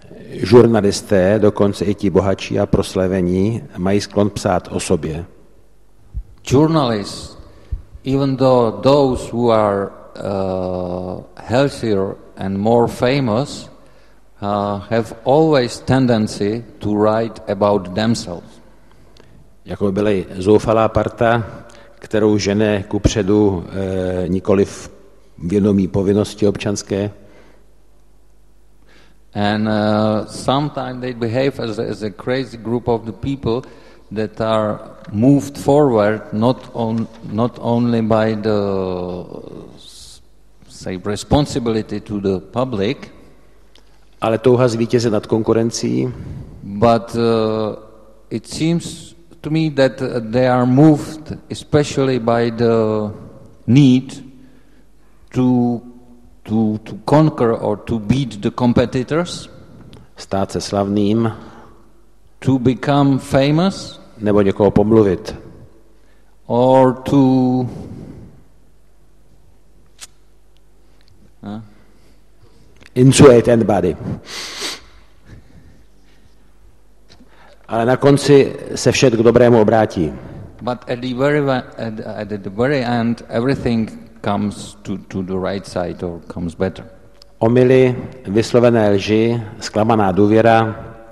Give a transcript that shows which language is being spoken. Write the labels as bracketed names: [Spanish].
[Czech] Žurnalisté, dokonce i ti bohatší a proslavení, mají sklon psát o sobě. [English] Journalists, even though those who are healthier and more famous, have always tendency to write about themselves. [Czech] Jako by byly zoufalá parta, kterou žene kupředu nikoliv vědomí povinnosti občanské. [English] And sometimes they behave as a crazy group of the people that are moved forward not only by the say responsibility to the public. [Czech] Ale touha zvítězit nad konkurencí. [English] But it seems to me that they are moved especially by the need to conquer or to beat the competitors. [Czech] Stát se slavným. [English] To become famous. [Czech] Nebo někoho pomluvit. [English] Or to insulate anybody. [Czech] Ale na konci se vše k dobrému obrátí. [English] But at the very end everything comes to the right side or comes better. [Czech] Omily, vyslovené lži, zklamaná důvěra,